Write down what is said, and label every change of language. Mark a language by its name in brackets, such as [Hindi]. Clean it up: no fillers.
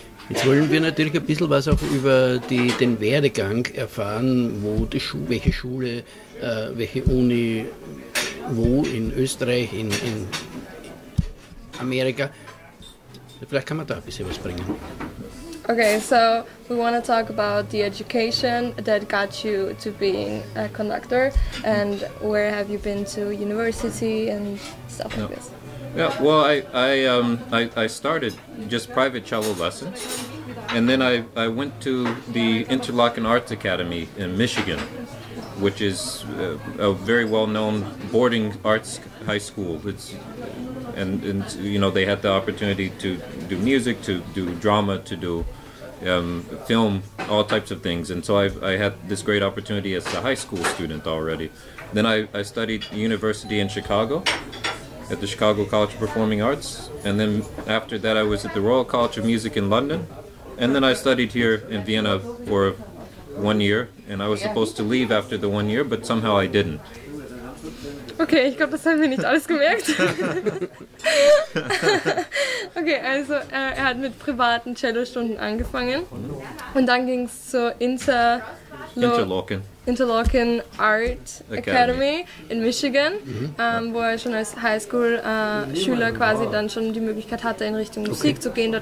[German] Jetzt wollen wir natürlich ein bisschen was auch über den Werdegang erfahren, wo die welche Schule, welche Uni, wo in Österreich, in Amerika. Vielleicht kann man da ein bisschen was bringen. [English] Okay, so we want to talk about the education that got you to being a conductor, and where have you been to university and stuff like this? Yeah, well, I started just private cello lessons, and then I went to the Interlochen Arts Academy in Michigan, which is a very well-known boarding arts high school. It's and you know, they had the opportunity to do music, to do drama, to do film, all types of things, and so I had this great opportunity as a high school student already, Then I studied university in Chicago at the Chicago College of Performing Arts. And then after that, I was at the Royal College of Music in London. And then I studied here in Vienna for 1 year. And I was supposed to leave after the 1 year, but somehow I didn't. [German] Okay, ich glaube, das haben wir nicht alles gemerkt. Okay, also er hat mit privaten Cellostunden angefangen. Und dann ging es zur Interlochen Arts Academy in Michigan, wo er schon als Highschool-Schüler quasi dann schon die Möglichkeit hatte, in Richtung Musik zu gehen.